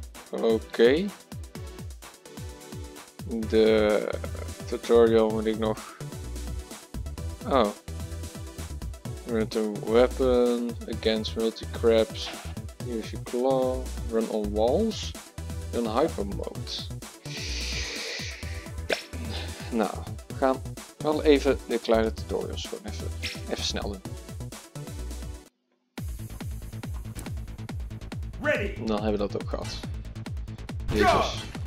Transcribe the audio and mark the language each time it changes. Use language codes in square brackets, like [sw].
[nl] Oké. De tutorial moet ik nog... Oh. [en] Run to weapon, against multi crabs, use your claw, run on walls, run hyper mode. [nl] Ja. Nou, we gaan wel even de kleine tutorials gewoon even snel doen. [en] Ready. [nl] Dan hebben we dat ook gehad. Jezus.